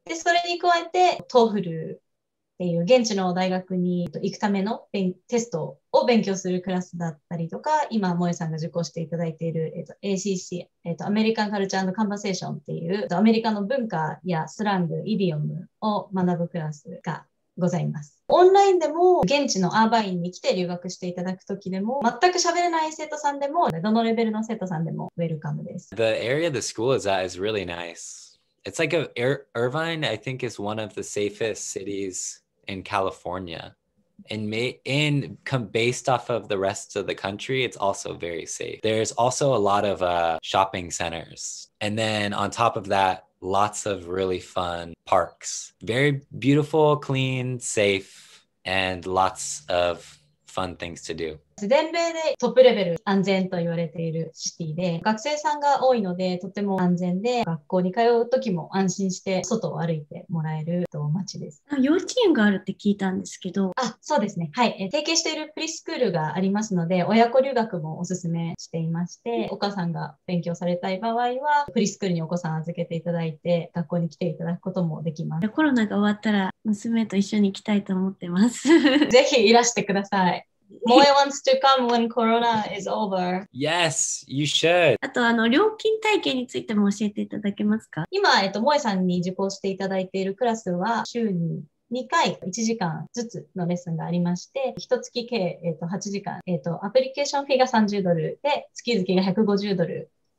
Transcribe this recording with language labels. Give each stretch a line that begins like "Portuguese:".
Japanese: で、それに加えて TOEFL っていう現地の大学に行くためのテストを勉強するクラスだったりとか、今萌さんが受講していただいている ACC アメリカンカルチャー&カンバセーションっていうアメリカの文化やスラング、イディオムを学ぶクラスがございます。オンラインでも現地のアーバインに来て留学していただくときでも全く喋れない生徒さんでもどのレベルの生徒さんでもウェルカムです。
English: The area the school is at is really nice. It's like Irvine, I think, is one of the safest cities in California. And based off of the rest of the country, it's also very safe. There's also a lot of shopping centers. And then on top of that,lots of really fun parks. Very beautiful, clean, safe, and lots of fun things to do.
Japanese: 全米でトップレベル安全と言われているシティで、学生さんが多いのでとても安全で、学校に通う時も安心して外を歩いてもらえる街です。幼稚園があるって聞いたんですけど。あ、そうですね、はい、提携しているプリスクールがありますので、親子留学もおすすめしていまして、お母さんが勉強されたい場合はプリスクールにお子さん預けていただいて学校に来ていただくこともできます。コロナが終わったら娘と一緒に行きたいと思ってます。ぜひいらしてください。
English: Moe wants to come when Corona is over. Yes, you should.
Japanese: あと、料金体系についても教えていただけますか？今、Moe さんに受講していただいているクラスは、週に2回、1時間ずつのレッスンがありまして、1月計、8時間、アプリケーションフィーが30ドルで、月々が150ドル。